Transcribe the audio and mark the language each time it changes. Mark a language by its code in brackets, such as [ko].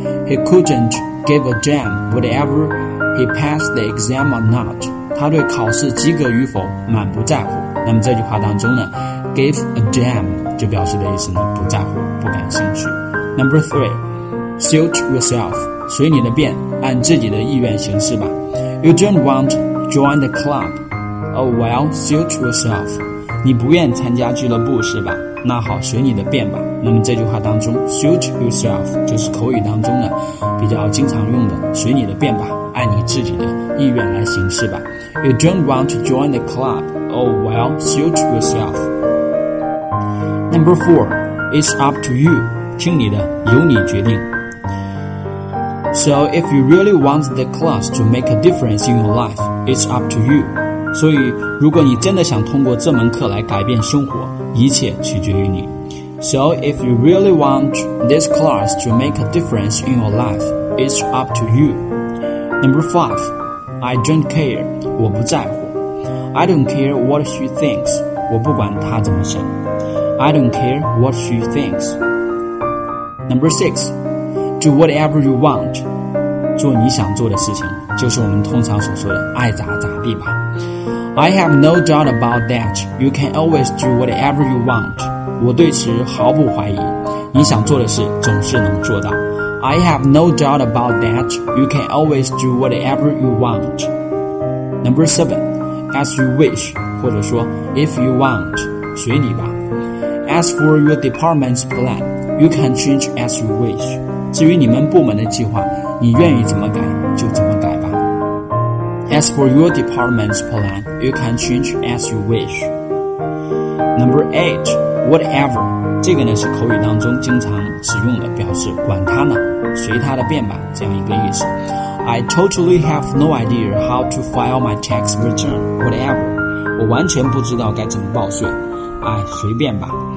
[en] He couldn't give a damn whatever He passed the exam or not. [zh] 他对考试及格与否满不在乎。那么这句话当中呢， give a damn 就表示的意思呢，不在乎，不感兴趣。 [en] Number three, suit yourself, [zh] 随你的便，按自己的意愿行事吧。 [en] You don't want to join the club. Oh well, suit yourself. [zh] 你不愿参加俱乐部是吧，那好，随你的便吧。那么这句话当中 suit yourself 就是口语当中呢比较经常用的，随你的便吧，按你自己的意愿来行事吧。 [en] You don't want to join the club. Oh well, suit yourself. Number four, it's up to you. [zh] 听你的，由你决定。 [en] So if you really want the class to make a difference in your life, it's up to you. [zh] 所以如果你真的想通过这门课来改变生活，一切取决于你。 [en] So if you really want this class to make a difference in your life, it's up to you. Number five, I don't care, [zh] 我不在乎。 [en] I don't care what she thinks, [zh] 我不管她怎么想。 [en] I don't care what she thinks. Number six, do whatever you want, [zh] 做你想做的事情，就是我们通常所说的爱咋咋地吧。 [en] I have no doubt about that, you can always do whatever you want, [zh] 我对此毫不怀疑，你想做的事总是能做到。 [en] I have no doubt about that. You can always do whatever you want. Number seven, as you wish, [zh] 或者说 [en] if you want, [zh] 随你吧。 [en] As for your department's plan, you can change as you wish. [zh] 至于你们部门的计划，你愿意怎么改就怎么改吧。 [en] As for your department's plan, you can change as you wish. Number eight, whatever. [zh] 这个呢是口语当中经常使用的，表示管他呢。随他的便吧，这样一个意思。 [en] I totally have no idea how to file my tax return, whatever. [zh] 我完全不知道该怎么报税，哎，随便吧。